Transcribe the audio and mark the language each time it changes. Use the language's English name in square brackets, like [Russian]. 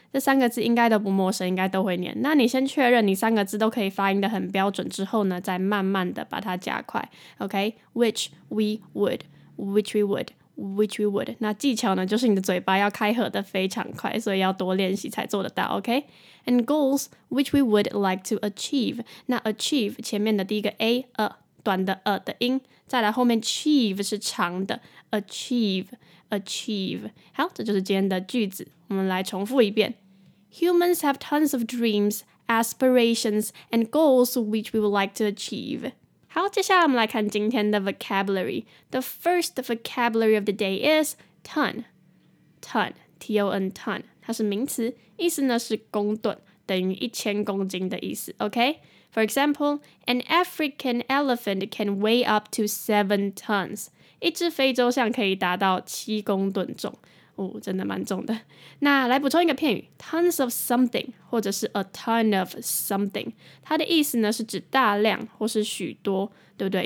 [Chinese] 这三个字应该都不陌生，应该都会念。那你先确认你三个字都可以发音的很标准之后呢，再慢慢的把它加快。 [English] Okay? Which we would. Which we would. Which we would. [Chinese] 那技巧呢，就是你的嘴巴要开合得非常快，所以要多练习才做得到， OK? [English] And goals, which we would like to achieve. [Chinese] 那 achieve, 前面的第一个 A, 短的 的音，再来后面 achieve 是长的 achieve. 好，这就是今天的句子，我们来重复一遍。 [English] Humans have tons of dreams, aspirations, and goals which we would like to achieve. [Chinese] 好，接下来我们来看今天的 vocabulary. [English] The first vocabulary of the day is ton, T-O-N, ton. [Chinese] 它是名词，意思呢是公吨，等于一千公斤的意思。 [English] Okay? For example, an African elephant can weigh up to 7 tons. [Chinese] 一只非洲象可以达到七公吨重。哦，真的蛮重的。那来补充一个片语 ， [English] tons of something [Chinese] 或者是 [English] a ton of something， [Chinese] 它的意思呢是指大量或是许多，对不对？